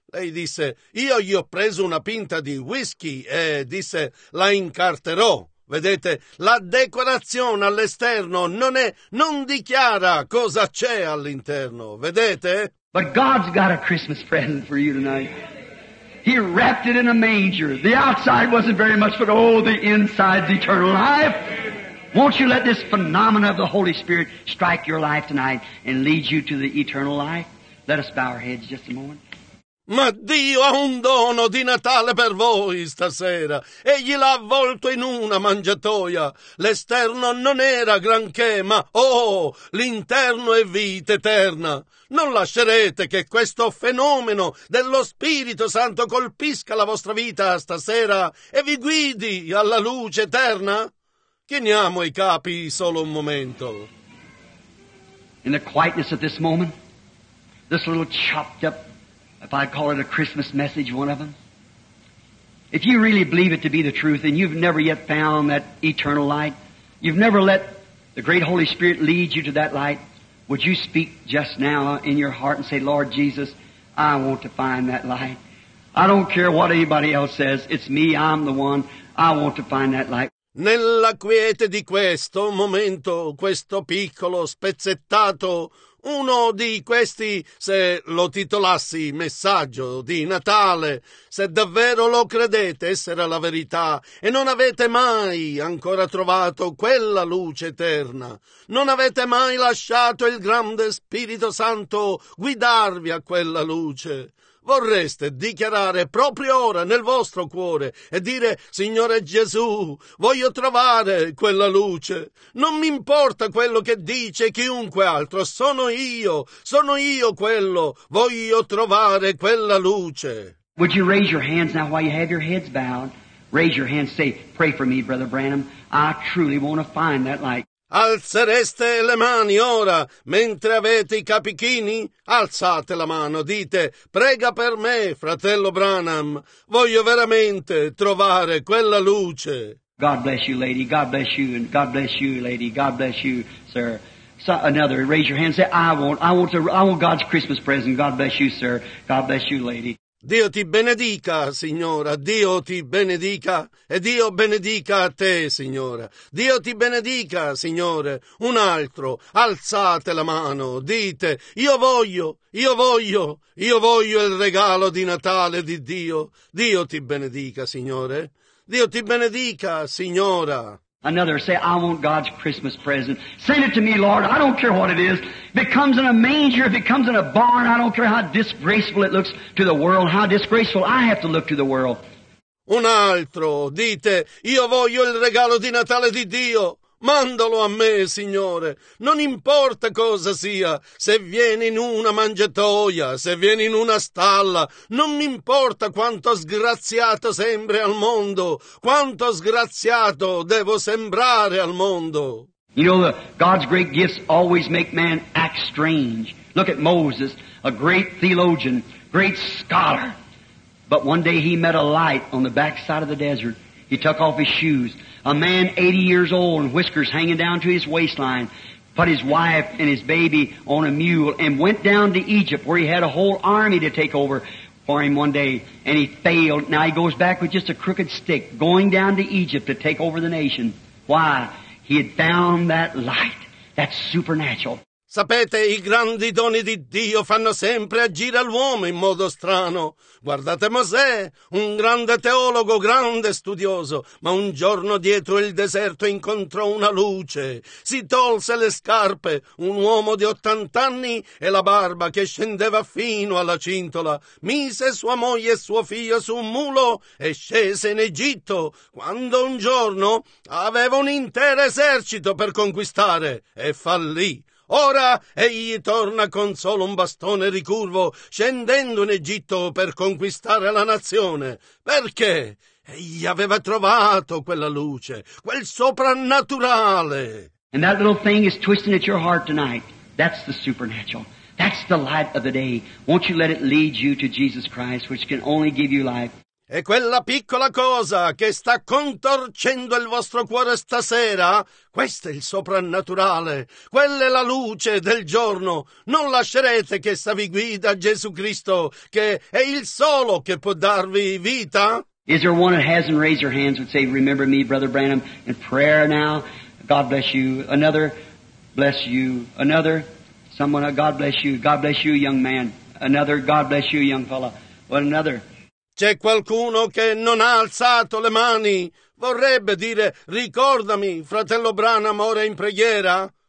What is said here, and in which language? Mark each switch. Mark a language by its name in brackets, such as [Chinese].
[Italian] Lei disse: "Io gli ho preso una pinta di whisky," e disse: "La incarterò." Vedete, la decorazione all'esterno non dichiara cosa c'è all'interno, vedete? [English] But God's got a Christmas present for you tonight. He wrapped it in a manger. The outside wasn't very much, but oh, the inside's eternal life. Won't you let this phenomenon of the Holy Spirit strike your life tonight and lead you to the eternal life? Let us bow our heads just a moment. [Italian] Ma Dio ha un dono di Natale per voi stasera. Egli l'ha avvolto in una mangiatoia. L'esterno non era granché, ma oh, l'interno è vita eterna. Non lascerete che questo fenomeno dello Spirito Santo colpisca la vostra vita stasera e vi guidi alla luce eterna? Chiniamo i capi solo un momento. [English] In the quietness of this moment, this little chopped up, if I call it a Christmas message, one of them. If you really believe it to be the truth and you've never yet found that eternal light, you've never let the great Holy Spirit lead you to that light, would you speak just now in your heart and say, "Lord Jesus, I want to find that light. I don't care what anybody else says. It's me. I'm the one. I want to find that light." [Italian] Nella quiete di questo momento, questo piccolo spezzettato, uno di questi, se lo titolassi messaggio di Natale, se davvero lo credete essere la verità e non avete mai ancora trovato quella luce eterna, non avete mai lasciato il grande Spirito Santo guidarvi a quella luce, vorreste dichiarare proprio ora nel vostro cuore e dire: "Signore Gesù, voglio trovare quella luce. Non mi importa quello che dice chiunque altro. Sono io quello. Voglio trovare quella luce." [English] Would you raise your hands now while you have your heads bowed? Raise your hands, say, "Pray for me, Brother Branham. I truly want to find that light." [Italian] Alzereste le mani ora, mentre avete i capi chini? Alzate la mano, dite: "Prega per me, fratello Branham. Voglio veramente trovare quella luce." [English] God bless you, lady. God bless you, and God bless you, lady. God bless you, sir. another, raise your hand, say, I want God's Christmas present. God bless you, sir. God bless you, lady. [Italian] Dio ti benedica, signora. Dio ti benedica. E Dio benedica a te, signora. Dio ti benedica, signore. Un altro. Alzate la mano. Dite, io voglio, io voglio, io voglio il regalo di Natale di Dio. Dio ti benedica, signore. Dio ti benedica, signora. [English] Another, say, I want God's Christmas present. Send it to me, Lord. I don't care what it is. If it comes in a manger, if it comes in a barn, I don't care how disgraceful it looks to the world, how disgraceful I have to look to the world. [Italian] Un altro, dite, io voglio il regalo di Natale di Dio. Mandalo a me, Signore. Non importa cosa sia, se viene in una mangiatoia, se viene in una stalla, non mi importa quanto sgraziato sembri al mondo, quanto sgraziato devo sembrare al mondo. [English] You know, God's great gifts always make man act strange. Look at Moses, a great theologian, great scholar. But one day he met a light on the backside of the desert. He took off his shoes. A man 80 years old and whiskers hanging down to his waistline, put his wife and his baby on a mule and went down to Egypt where he had a whole army to take over for him one day. And he failed. Now he goes back with just a crooked stick going down to Egypt to take over the nation. Why? He had found that light. That's supernatural. [Italian] Sapete, i grandi doni di Dio fanno sempre agire l'uomo in modo strano. Guardate Mosè, un grande teologo, grande studioso, ma un giorno dietro il deserto incontrò una luce. Si tolse le scarpe, un uomo di 80 anni e la barba che scendeva fino alla cintola. Mise sua moglie e suo figlio su un mulo e scese in Egitto, quando un giorno aveva un intero esercito per conquistare e fallì. Ora egli torna con solo un bastone ricurvo, scendendo in Egitto per conquistare la nazione. Perché? Egli aveva trovato quella luce, quel soprannaturale. [English] And that little thing is twisting at your heart tonight. That's the supernatural. That's the light of the day. Won't you let it lead you to Jesus Christ, which can only give you life? [Italian] E quella piccola cosa che sta contorcendo il vostro cuore stasera, questo è il soprannaturale, quella è la luce del giorno. Non lascerete che essa vi guida Gesù Cristo, che è il solo che può darvi vita? [English] Is there one that hasn't raised your hands and say, remember me, Brother Branham, in prayer now? God bless you. Another, bless you. Another, someone, God bless you. God bless you, young man. Another, God bless you, young fella. But another. [Italian] C'è qualcuno che non ha alzato le mani? Vorrebbe dire, ricordami, fratello Branham, ora in preghiera?